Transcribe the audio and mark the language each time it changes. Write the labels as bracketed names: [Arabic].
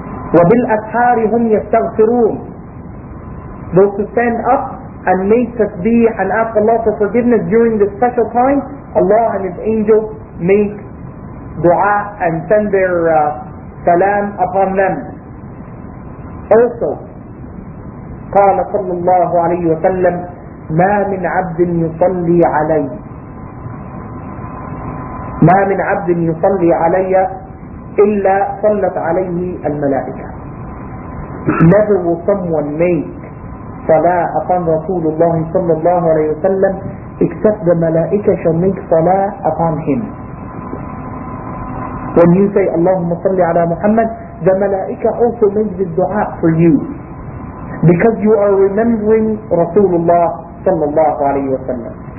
[Arabic] وَبِالْ أَسْحَارِ هُمْ يَسْتَغْفِرُونَ. [English] Those who stand up and make tasbih and ask Allah for forgiveness during this special time, Allah and His angels make dua and send their salam upon them. [Arabic] Also, قال صلى الله عليه وسلم ما من عبد يصلي علي ما من عبد يصلي علي إلا صلت عليه الملائكة. [English] Never will someone make salah upon Rasulullah صلى الله عليه وسلم except the malaika shall make salah upon him. When you say [Arabic] اللهم صل على محمد, [English] the malaika also make this dua for you, because you are remembering Rasulullah sallallahu alayhi wa sallam.